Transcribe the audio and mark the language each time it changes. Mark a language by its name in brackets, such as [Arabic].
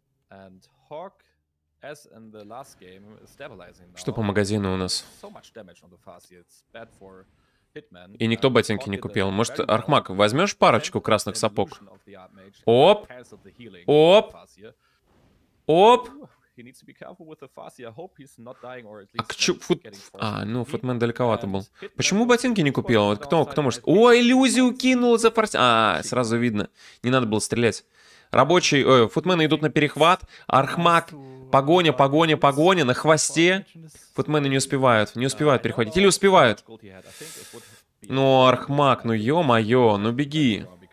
[English] And Hawk, as in the last game, is stabilizing now. [Russian] Что по магазину у нас? [English] So much damage on the fast. It's bad for Hitman. [Russian] И никто ботинки не купил. Может, Архмаг, возьмешь парочку красных сапог? Оп! Оп! Оп! [English] He needs to be careful with the Fassia. I hope he's not dying or at least [Russian] ну, футмен далековато был. Почему ботинки не купил? Вот кто может... О, иллюзию кинул за Фарси... сразу видно. Не надо было стрелять. Рабочие... футмены идут на перехват. Архмаг. Погоня на хвосте. Футмены не успевают. Не успевают перехватить. Или успевают. Ну, Архмаг, ну ё-моё, ну беги.